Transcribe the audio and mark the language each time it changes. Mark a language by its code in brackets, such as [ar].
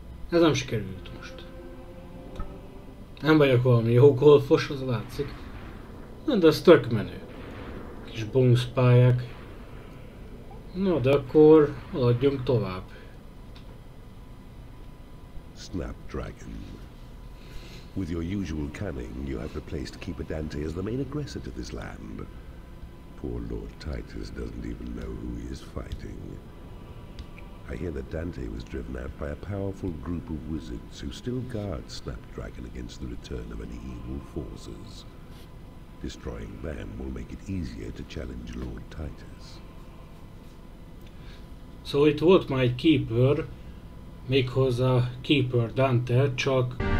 [hu] Ez nem sikerült most. Nem vagyok valami jó golfos, az látszik. De ez tök menő. Kis bónusz pályák. Na, de akkor haladjunk tovább. [en] Snapdragon. With your usual cunning, you have replaced Keeper Dante as the main aggressor to this land. Poor Lord Titus doesn't even know who he is fighting. I hear that Dante was driven out by a powerful group of wizards who still guard Snapdragon against the return of any evil forces. Destroying them will make it easier to challenge Lord Titus. So it was my keeper. [hu] Méghozzá Keeper Dante, csak...